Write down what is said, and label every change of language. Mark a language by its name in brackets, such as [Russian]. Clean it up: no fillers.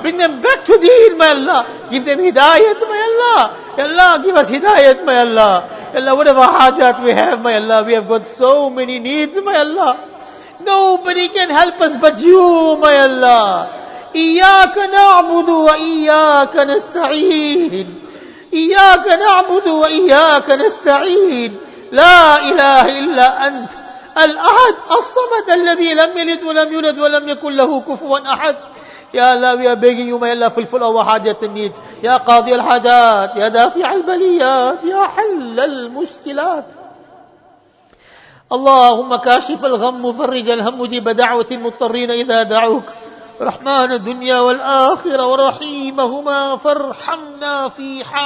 [English] Bring them back to deen, my Allah. Give them hidayat, my Allah. Ya Allah, give us hidayat, my Allah. Ya Allah, whatever hajat we have, my Allah, we have got so many needs, my Allah. Nobody can help us but you, my Allah. [Arabic] Iyaka na'budu wa iyaka nasta'in. إياك نعبد وإياك نستعين لا إله إلا أنت الأحد الصمد الذي لم يلد ولم يولد ولم يكن له كفوا أحد. [English] يا الله, we are begging you, my Allah, fulfill our hajat and needs. [Arabic] يا قاضي الحاجات يا دافع البليات يا حل المشكلات اللهم كاشف الغم مفرج الهم مجيب دعوة المضطرين إذا دعوك رحمن الدنيا والآخرة ورحيمهما فارحمنا في